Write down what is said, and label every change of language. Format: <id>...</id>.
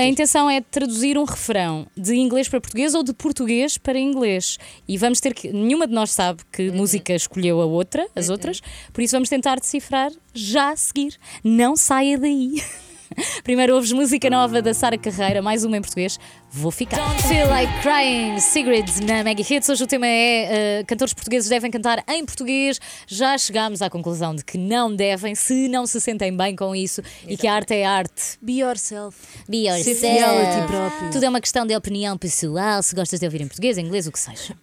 <pt>A intenção é traduzir um refrão de inglês para português ou de português para inglês. E vamos ter que. Nenhuma de nós sabe que música escolheu a outra, as outras. Por isso, vamos tentar decifrar já a seguir. Não saia daí. Primeiro ouves música nova da Sara Carreira, mais uma em português. Vou ficar. Don't feel like crying, Sigrid na Mega Hits. Hoje o tema é: cantores portugueses devem cantar em português. Já chegámos à conclusão de que não devem, se não se sentem bem com isso. Exatamente. E que a arte é arte.</pt> <en>Be yourself. Be yourself.</en> <pt>Se fiel a ti próprio. Tudo é uma questão de opinião pessoal. Se gostas de ouvir em português, em inglês, o que seja.</pt>